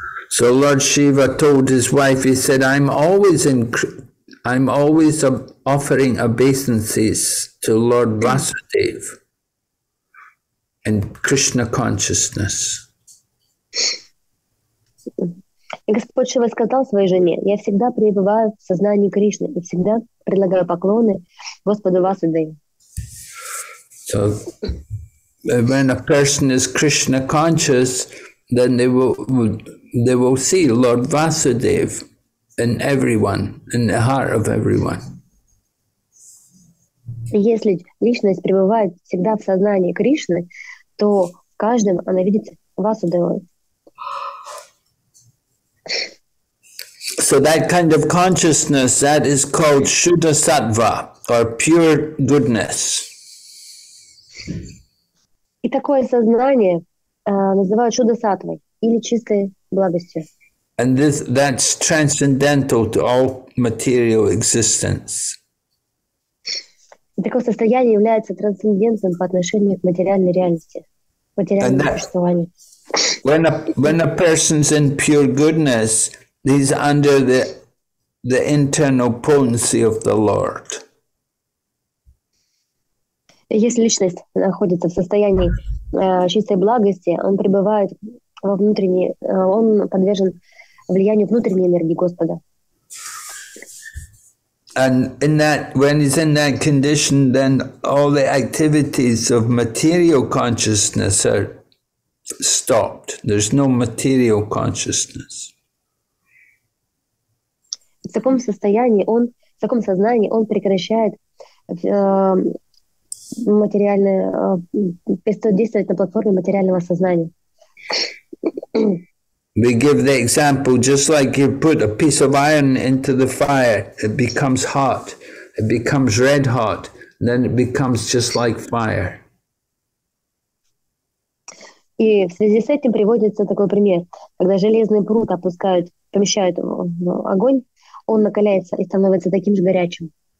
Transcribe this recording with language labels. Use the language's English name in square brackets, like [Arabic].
[English] So Lord Shiva told his wife, he said, I'm always offering obeisances to Lord Vasudev in Krishna consciousness. [Russian] И Господь Шива сказал своей жене, я всегда пребываю в сознании Кришны и всегда предлагаю поклоны Господу Васудеве. [English] So, when a person is Krishna conscious, then they will see Lord Vasudev in everyone, in the heart of everyone. [Russian] Если личность пребывает всегда в сознании Кришны, то в каждом она видит Васудева. [English] So that kind of consciousness, that is called Shuddha Sattva, or pure goodness. [Russian] И такое сознание называют Shuddha Sattva, или чистой благостью. [English] And that's transcendental to all material existence. [Russian] И такое состояние является трансцендентным по отношению к материальной реальности, материальному существованию. [English] When a person's in pure goodness, he's under the internal potency of the Lord. [Russian] Если личность находится в состоянии чистой благости, он пребывает во внутренней, он подвержен влиянию внутренней энергии Господа. [English] And in that, when he's in that condition, then all the activities of material consciousness are stopped. There's no material consciousness. [Russian] В таком состоянии он, в таком сознании он прекращает материальное, перестает действовать на платформе материального сознания. [English] We give the example, just like you put a piece of iron into the fire, it becomes hot, it becomes red hot, then it becomes just like fire. [Russian] И в связи с этим приводится такой пример. Когда железный прут опускают, помещают в огонь, он накаляется и становится таким же горячим.